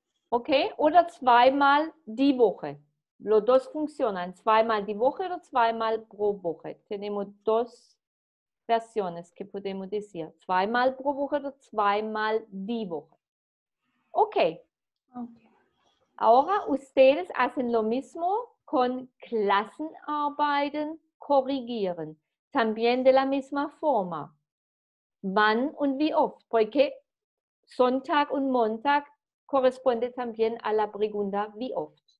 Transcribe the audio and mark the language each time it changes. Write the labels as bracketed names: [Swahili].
[German] Okay, oder zweimal die Woche. [Spanish] Los dos funcionan. [German] Zweimal die Woche oder zweimal pro Woche. [Spanish] Tenemos dos versiones que podemos decir. [German] Zweimal pro Woche oder zweimal die Woche. Okay. [Spanish] Ahora ustedes hacen lo mismo con Klassenarbeiten korrigieren. También de la misma forma. [German] Wann und wie oft. [Spanish] Porque [German] Sonntag und Montag [Spanish] corresponde también a la pregunta, ¿wie oft?